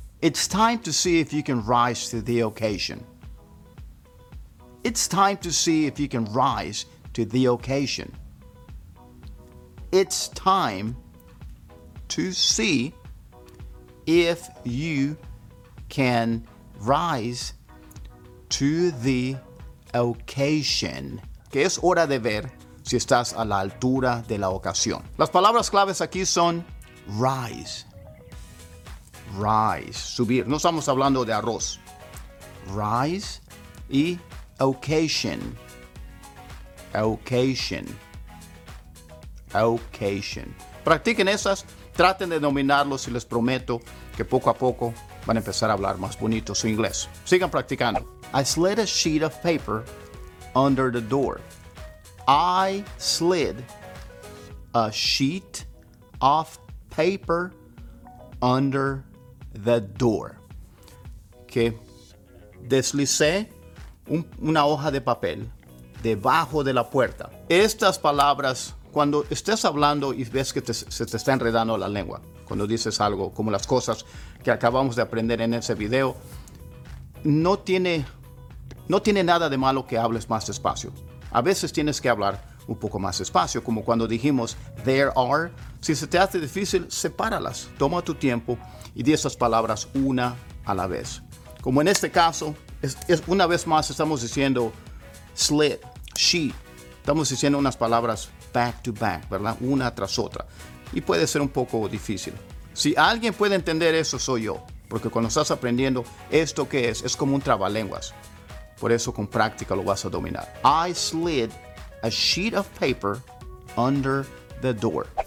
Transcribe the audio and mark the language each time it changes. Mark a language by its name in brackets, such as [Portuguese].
[English] It's time to see if you can rise to the occasion. It's time to see if you can rise to the occasion. It's time to see if you can rise to the occasion. [Spanish] Que es hora de ver si estás a la altura de la ocasión. Las palabras claves aquí son rise. Rise, subir. No estamos hablando de arroz. Rise y occasion. Occasion. Occasion. Practiquen esas. Traten de dominarlos y les prometo que poco a poco van a empezar a hablar más bonito su inglés. Sigan practicando. [English] I slid a sheet of paper under the door. I slid a sheet of paper under the door. [Spanish] Que deslicé una hoja de papel debajo de la puerta. Estas palabras, cuando estés hablando y ves que se te está enredando la lengua, cuando dices algo como las cosas que acabamos de aprender en ese video, no tiene nada de malo que hables más despacio. A veces tienes que hablar un poco más despacio, como cuando dijimos [English] there are. [Spanish] Si se te hace difícil, sepáralas. Toma tu tiempo y di esas palabras una a la vez. Como en este caso, es una vez más estamos diciendo slit, sheet. Estamos diciendo unas palabras [English] back to back, [Spanish] ¿verdad? Una tras otra. Y puede ser un poco difícil. Si alguien puede entender eso, soy yo. Porque cuando estás aprendiendo, ¿esto qué es? Es como un trabalenguas. Por eso con práctica lo vas a dominar. [English] I slid a sheet of paper under the door.